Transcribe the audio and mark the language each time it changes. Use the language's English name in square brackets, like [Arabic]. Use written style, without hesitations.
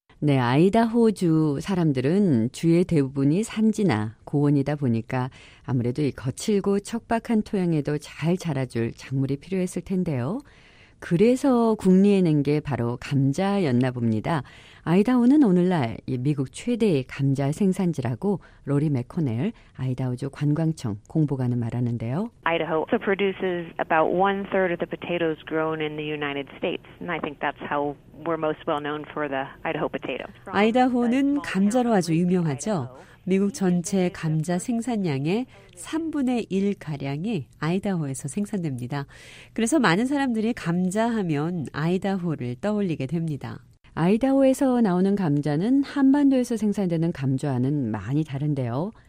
[Korean] 네, 아이다호주 사람들은 주의 대부분이 산지나 고원이다 보니까 아무래도 이 거칠고 척박한 토양에도 잘 자라줄 작물이 필요했을 텐데요. 그래서 국리해낸 게 바로 감자였나 봅니다. 아이다호는 오늘날 미국 최대의 감자 생산지라고 로리 맥코넬 아이다호주 관광청 공보관은 말하는데요. [English] Idaho also produces about one-third of the potatoes grown in the United States. And I think that's how we're most well-known for the Idaho potato. [Korean] 아이다호는 감자로 아주 유명하죠. 미국 전체 감자 생산량의 3분의 1가량이 아이다호에서 생산됩니다. 그래서 많은 사람들이 감자 하면 아이다호를 떠올리게 됩니다. 아이다호에서 나오는 감자는 한반도에서 생산되는 감자와는 많이 다른데요.